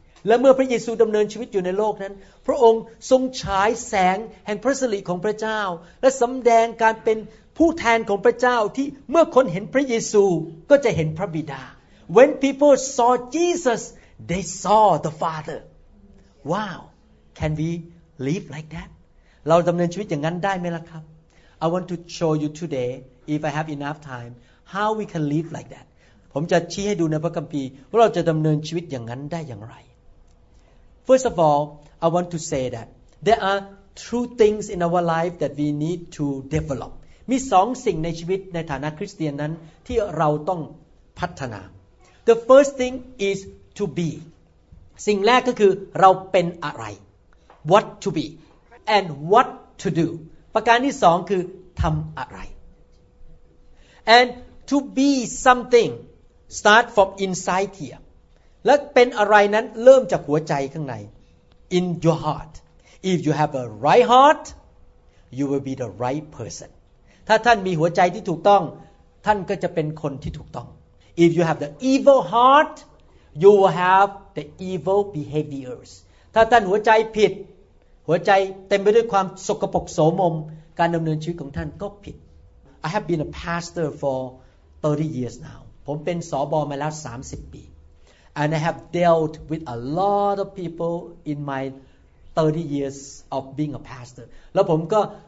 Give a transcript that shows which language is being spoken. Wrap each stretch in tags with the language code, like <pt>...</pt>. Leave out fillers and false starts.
<th>และเมื่อพระเยซูดำเนินชีวิตอยู่ในโลกนั้นพระองค์ทรงฉายแสงแห่งพระสิริของพระเจ้าและสำแดงการเป็นผู้แทนของพระเจ้าที่เมื่อคนเห็นพระเยซูก็จะเห็นพระบิดา</th> <en>When people saw Jesus, they saw the Father. Wow, can we live like that?</en> <th>เราดำเนินชีวิตอย่างนั้นได้ไหมล่ะครับ</th> <en>I want to show you today if I have enough time how we can live like that</en> <th>ผมจะชี้ให้ดูในพระคัมภีร์ว่าเราจะดำเนินชีวิตอย่างนั้นได้อย่างไร</th> <en>First of all I want to say that there are two things in our life that we need to develop</en> <th>มี2 สิ่งในชีวิตในฐานะคริสเตียนนั้นที่เราต้องพัฒนา</th> <en>The first thing is to be</en> <th>สิ่งแรกก็คือเราเป็นอะไร</th> <en>What to beAnd what to do.</en> <th>ประการที่สองคือทำอะไร</th> <en>And to be something, start from inside here.</en> <th>และเป็นอะไรนั้นเริ่มจากหัวใจข้างใน</th> <en>In your heart. If you have a right heart, you will be the right person.</en> <th>ถ้าท่านมีหัวใจที่ถูกต้องท่านก็จะเป็นคนที่ถูกต้อง</th> <en>If you have the evil heart, you will have the evil behaviors.</en> <th>ถ้าท่านหัวใจผิดหัวใจเต็มไปด้วยความสกปรกโสมมการดำเนินชีวิตของท่านก็ผิด</th> <en>I have been a pastor for 30 years now</en> <th>ผมเป็นสบมาแล้ว30ปี</th> <en>and I have dealt with a lot of people in my 30 years of being a pastor</en> <th>แล้วผมก็</th>